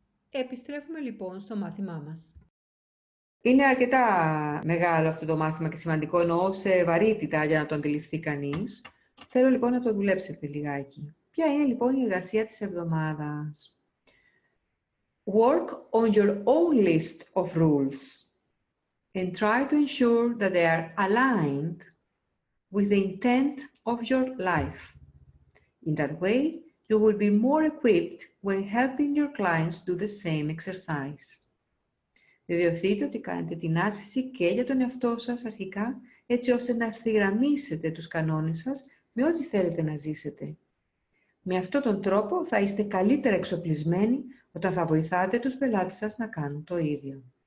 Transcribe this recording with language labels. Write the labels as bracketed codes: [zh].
[el] Επιστρέφουμε λοιπόν στο μάθημά μας. Είναι αρκετά μεγάλο αυτό το μάθημα και σημαντικό, εννοώ σε βαρύτητα για να το αντιληφθεί κανείς. Θέλω λοιπόν να το δουλέψετε λιγάκι. Ποια είναι λοιπόν η εργασία της εβδομάδας? [en] Work on your own list of rules and try to ensure that they are aligned with the intent of your life. In that way, you will be more equipped when helping your clients do the same exercise. [el] Βεβαιωθείτε ότι κάνετε την άσκηση και για τον εαυτό σας αρχικά, έτσι ώστε να ευθυγραμμίσετε τους κανόνες σας με ό,τι θέλετε να ζήσετε. Με αυτόν τον τρόπο θα είστε καλύτερα εξοπλισμένοι όταν θα βοηθάτε τους πελάτες σας να κάνουν το ίδιο.